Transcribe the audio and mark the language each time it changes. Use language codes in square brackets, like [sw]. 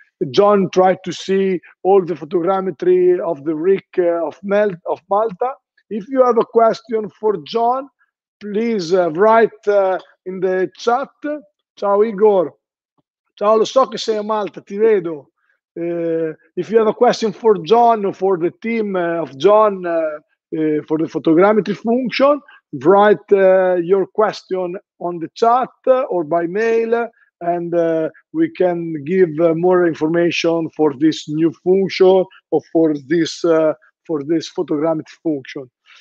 [en] John tried to see all the photogrammetry of the rig of Malta. If you have a question for John, please write in the chat. [it] Ciao Igor. Ciao, lo so che sei a Malta, ti vedo. [en] If you have a question for John or for the team of John for the photogrammetry function, write your question on the chat or by mail, and we can give more information for this new function or for this photogrammetry function.